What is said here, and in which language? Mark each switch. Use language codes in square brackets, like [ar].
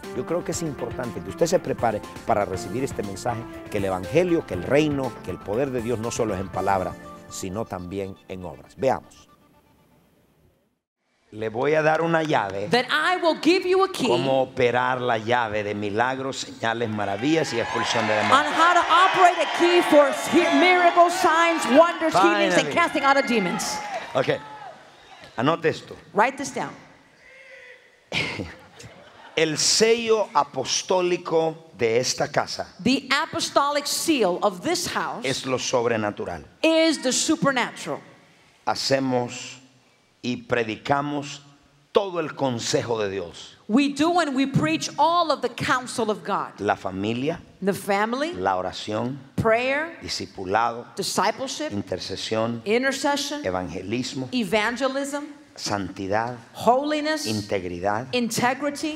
[es] Yo creo que es importante que usted se prepare para recibir este mensaje, que el evangelio, que el reino, que el poder de Dios no solo es en palabras, sino también en obras. Veamos. Le voy a dar una llave. [en] That I will give you a key. [es] Cómo operar la llave de milagros, señales, maravillas y expulsión de demonios. [en] On how to operate a key for miracles, signs, wonders, healings, and casting out of demons. [es] Okay. Anote esto. [en] Write this down. [es] El sello apostólico de esta casa. [en] The apostolic seal of this house. [es] Es lo sobrenatural. [en] Is the supernatural. [es] Hacemos y predicamos todo el consejo de Dios. [en] We do and we preach all of the counsel of God. [es] La familia. [en] The family. [es] La oración. [en] Prayer. [es] Discipulado. [en] Discipleship. [es] Intercesión. [en] Intercession. [es] Evangelismo. [en] Evangelism. [es] Santidad. [en] Holiness. [es] Integridad. [en] Integrity.